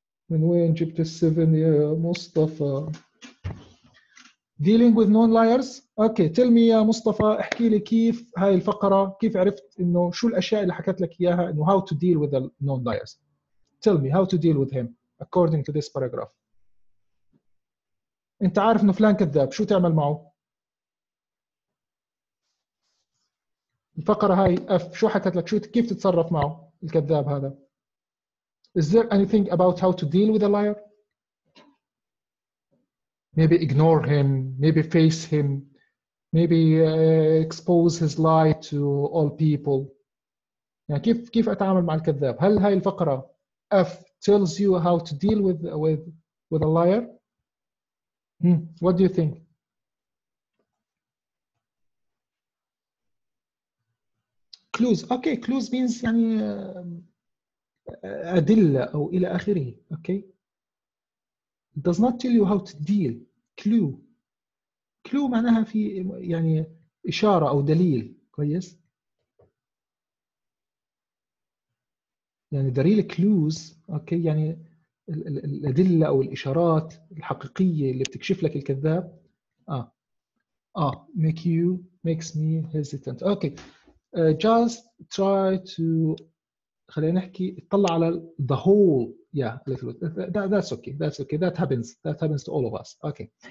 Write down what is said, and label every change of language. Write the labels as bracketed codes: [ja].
[ar] من وين جبت السيفن يا مصطفى؟ [en] Dealing with known liars. Okay, tell me [ar] يا مصطفى، احكي لي كيف هاي الفقرة، كيف عرفت انه شو الاشياء اللي حكت لك اياها انه [en] how to deal with the known liars. Tell me how to deal with him according to this paragraph. [ar] انت عارف انه فلان كذاب، شو تعمل معه؟ الفقرة هاي F شو حكت لك؟ شو كيف تتصرف معه الكذاب هذا؟ [en] Is there anything about how to deal with a liar? Maybe ignore him, maybe face him, maybe expose his lie to all people. [ar] يعني كيف أتعامل مع الكذاب؟ هل هاي الفقرة F [en] tells you how to deal with a liar? What do you think? Clues. Okay, clues means [ar] يعني أدلة أو إلى آخره. [en] Okay. Does not tell you how to deal. Clue. [ar] Clue معناها في يعني إشارة أو دليل. كويس. [en] يعني the real clues okay [ar] يعني الأدلة أو الإشارات الحقيقية اللي بتكشف لك الكذاب [en] make you makes me hesitant okay just try to [ar] خلينا نحكي اطلع على [en] the whole yeah a little bit that's okay that happens to all of us okay